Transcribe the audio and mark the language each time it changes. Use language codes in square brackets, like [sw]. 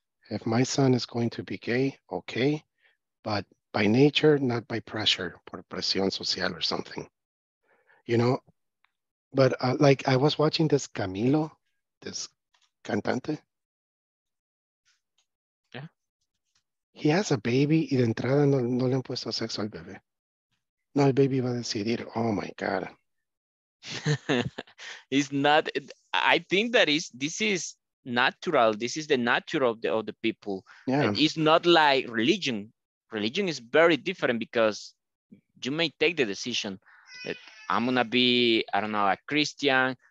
[en] If my son is going to be gay, okay. But by nature, not by pressure, [es] por presión social [en] or something. You know, but like I was watching this Camilo, this cantante. Yeah. He has a baby [es] y de entrada no le han puesto sexo al bebé. No, el baby va a decidir, [en] oh my God. It's not, I think that is, this is natural. This is the nature of the people. Yeah. And it's not like religion. Religion is very different because you may take the decision that I'm going to be, I don't know, a Christian.